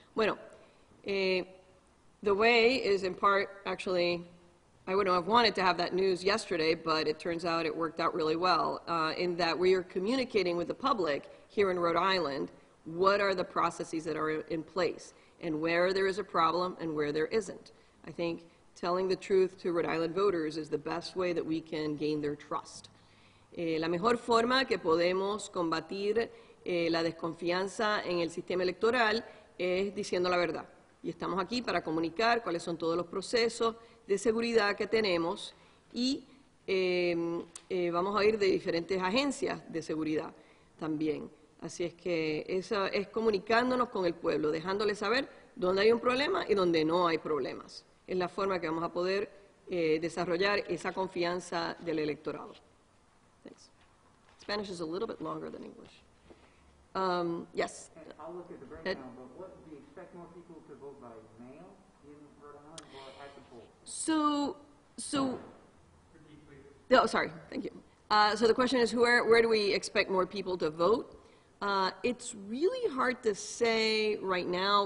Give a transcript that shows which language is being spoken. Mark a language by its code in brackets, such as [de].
[en] Bueno, the way is in part, actually, I wouldn't have wanted to have that news yesterday, but it turns out it worked out really well, in that we are communicating with the public here in Rhode Island. What are the processes that are in place, and where there is a problem and where there isn't? I think telling the truth to Rhode Island voters is the best way that we can gain their trust. [es] La mejor forma que podemos combatir la desconfianza en el sistema electoral es diciendo la verdad. Y estamos aquí para comunicar cuáles son todos los procesos de seguridad que tenemos y vamos a ir de diferentes agencias de seguridad también. Así es que eso es comunicándonos con el pueblo, dejándole saber dónde hay un problema y dónde no hay problemas. Es la forma que vamos a poder desarrollar esa confianza del electorado. [en] Thanks. Spanish is a little bit longer than English. Yes. I'll look at the breakdown, but what do you expect more people to vote by mail in Rhode Island or at the polls? Oh, sorry. Thank you. So the question is, where do we expect more people to vote? It's really hard to say right now.